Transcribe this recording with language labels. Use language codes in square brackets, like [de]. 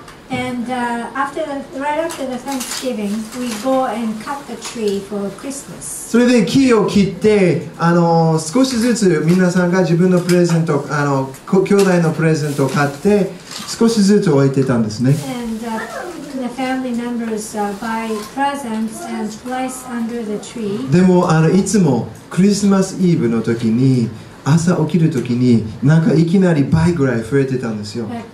[en] And after the right after the Thanksgiving, we go and cut the tree for Christmas. [ja] それで木を切って少しずつ皆さんが自分のプレゼント兄弟のプレゼントを買って少しずつ置いてたんですね。 [en] And the family members buy presents and place under the tree. [ja] でもいつもクリスマスイブの時に。朝起きるときに、なんかいきなり倍ぐらい増えてたんですよ。